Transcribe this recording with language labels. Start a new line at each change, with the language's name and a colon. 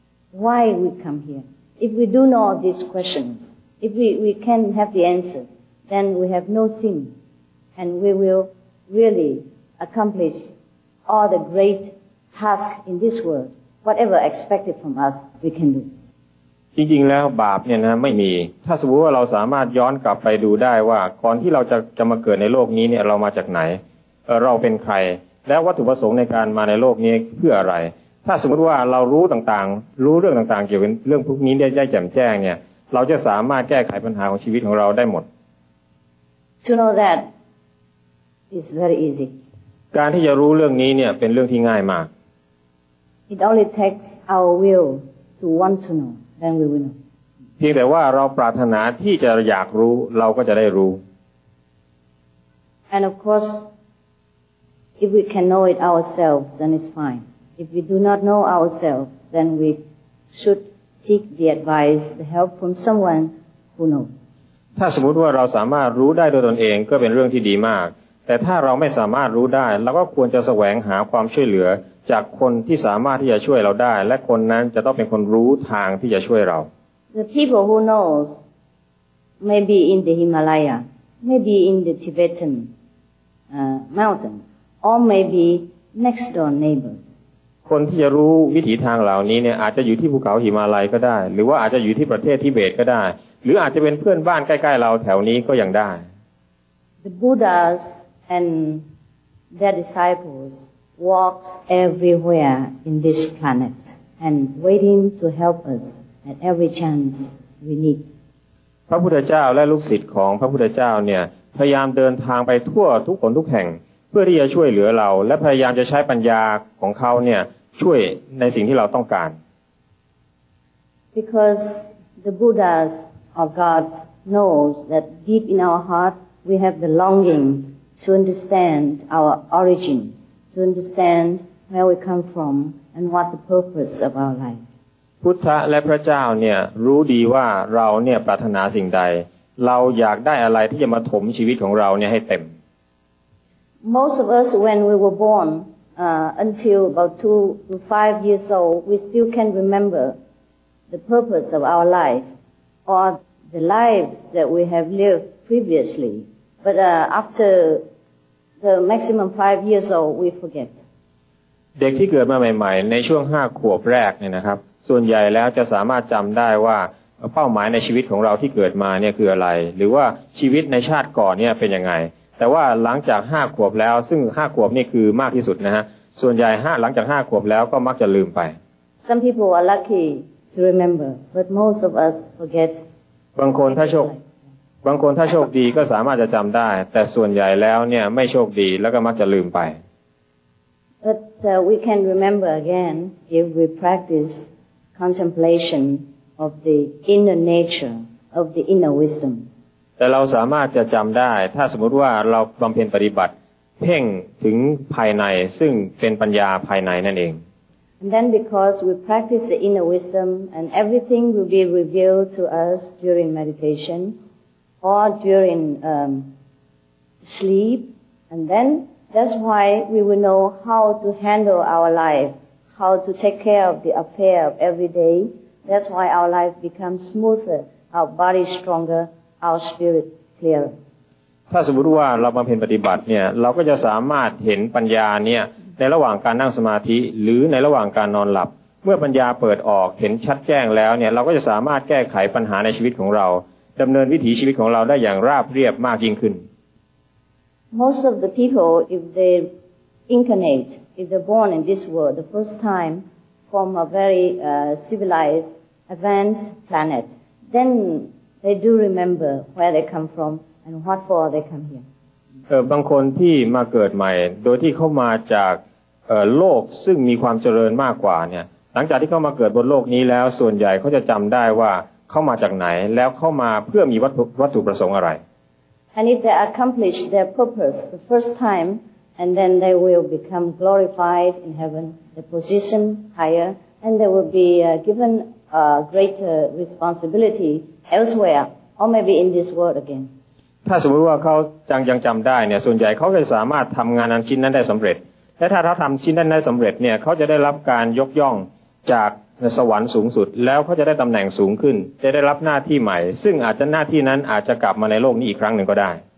English: Why we come here? If we do know these questions, if we can have the answers, then we have no sin, and we will really accomplish all the great tasks in this world. Whatever expected from us, we can do.
Thai: จริงๆแล้วบาปเนี่ยนะไม่มีถ้าสมมุติว่าเราสามารถย้อนกลับไปดูได้ว่าก่อนที่เราจะมาเกิดในโลกนี้เนี่ยเรามาจากไหนเราเป็นใครและวัตถุประสงค์ในการมาในโลกนี้เพื่ออะไรถ้าสมมุติว่าเรารู้ต่างๆรู้เรื่องต่างๆเกี่ยวกับเรื่องพวกนี้ได้แจ่มแจ้งเนี่ยเราจะสามารถแก้ไขปัญหาของชีวิตของเราได้หมด
English: To know that is very easy
Thai: การที่จะรู้เรื่องนี้เนี่ยเป็นเรื่องที่ง่ายมาก
English: It only takes our will to want to knowThen we will know.
Thai: เพียงแต่ว่าเราปรารถนาที่จะอยากรู้เราก็จะได้รู้
English: And of course, if we can know it ourselves, then it's fine. If we do not know ourselves, then we should seek the advice, the help from someone who knows.
Thai: ถ้าสมมติว่าเราสามารถรู้ได้โดยตนเองก็เป็นเรื่องที่ดีมากแต่ถ้าเราไม่สามารถรู้ได้เราก็ควรจะแสวงหาความช่วยเหลือจากคนที่สามารถที่จะช่วยเราได้และคนนั้นจะต้องเป็นคนรู้ทางที่จะช่วยเรา
English: The people who knows maybe in the Himalaya maybe in the Tibetan mountain or maybe next door neighbors
Thai: คนที่จะรู้วิถีทางเหล่านี้เนี่ยอาจจะอยู่ที่ภูเขาหิมาลัยก็ได้หรือว่าอาจจะอยู่ที่ประเทศทิเบตก็ได้หรืออาจจะเป็นเพื่อนบ้านใกล้ๆเราแถวนี้ก็ยังได้
English: The Buddhas and their disciples walks everywhere in this planet and waiting to help us at every chance we need.
Thai: พระพุทธเจ้าและลูกศิษย์ของพระพุทธเจ้าเนี่ยพยายามเดินทางไปทั่วทุกคนทุกแห่งเพื่อที่จะช่วยเหลือเราและพยายามจะใช้ปัญญาของเขาเนี่ยช่วยในสิ่งที่เราต้องการ
English: Because the Buddhas or God knows that deep in our heart we have the longing to understand our origin to understand where we come from and what the purpose of our life
Thai: พุทธะและพระเจ้าเนี่ยรู้ดีว่าเราเนี่ยปรารถนาสิ่งใดเราอยากได้อะไรที่จะมาถมชีวิตของเราเนี่ยให้เต็ม
English: Most of us when we were born until about 2 to 5 years old we still can remember the purpose of our life or the life that we have lived previously but after the maximum 5 years old we forget
Thai: เด็กที่เกิดมาใหม่ๆในช่วง5ขวบแรกเนี่ยนะครับส่วนใหญ่แล้วจะสามารถจําได้ว่าเป้าหมายในชีวิตของเราที่เกิดมาเนี่ยคืออะไรหรือว่าชีวิตในชาติก่อนเนี่ยเป็นยังไงแต่ว่าหลังจาก5ขวบแล้วซึ่ง5ขวบนี่คือมากที่สุดนะฮะส่วนใหญ่5หลังจาก5ขวบแล้วก็มักจะลืมไป
English: Some people are lucky to remember but most of us forget
Thai: บางคนถ้าโชคดีก็สามารถจะจําได้แต่ส่วนใหญ่แล้วเนี่ยไม่โชคดีแล้วก็มักจะลืมไป
English: But we can remember again if we practicecontemplation of the inner nature of the inner wisdom
Thai: แต่เราสามารถจะจําได้ถ้าสมมุติว่าเราบําเพ็ญปฏิบัติเพ่งถึงภายในซึ่งเป็นปัญญาภายในนั่นเอง
English: And then because we practice the inner wisdom and everything will be revealed to us during meditation or during sleep and then that's why we will know how to handle our lifeHow to take care of the affair of every day. That's why our life becomes smoother, our body stronger, our spirit clearer.
Thai: ถ้าสมมติว่าเราบำเพ็ญปฏิบัติเนี่ยเราก็จะสามารถเห็นปัญญาเนี่ยในระหว่างการนั่งสมาธิหรือในระหว่างการนอนหลับเมื่อปัญญาเปิดออกเห็นชัดแจ้งแล้วเนี่ยเราก็จะสามารถแก้ไขปัญหาในชีวิตของเราดำเนินวิถีชีวิตของเราได้อย่างราบเรียบมากยิ่งขึ้น
English: Most of the people, if they incarnate. If they're born in this world the first time from a very civilized advanced planet then they do remember where they come from and what for they come here
Thai: บางคนที่มาเกิดใหม่โดยที่เข้ามาจากโลกซึ่งมีความเจริญมากกว่าเนี่ยหลังจากที่เข้ามาเกิดบนโลกนี้แล้วส่วนใหญ่เขาจะจําได้ว่าเข้ามาจากไหนแล้วเข้ามาเพื่อมีวัตถุประสงค์อะไร
English: And if they accomplish their purpose the first timeAnd then they will become glorified in heaven, the position higher, and they will be given a greater responsibility elsewhere, or maybe in this world again.
Thai: ถ้าสมมติว่าเขายังจำได้เนี่ยส่วนใหญ่เขาจะสามารถทำงานชิ้นนั้นได้สำเร็จและถ้าเขาทำชิ้นนั้นได้สำเร็จเนี่ยเขาจะได้รับการยกย่องจากสวรรค์สูงสุดแล้วเขาจะได้ตำแหน่งสูงขึ้นจะได้รับหน้าที่ใหม่ซึ่งอาจจะหน้าที่นั้นอาจจะกลับมาในโลกนี้อีกครั้งหนึ่งก็ได้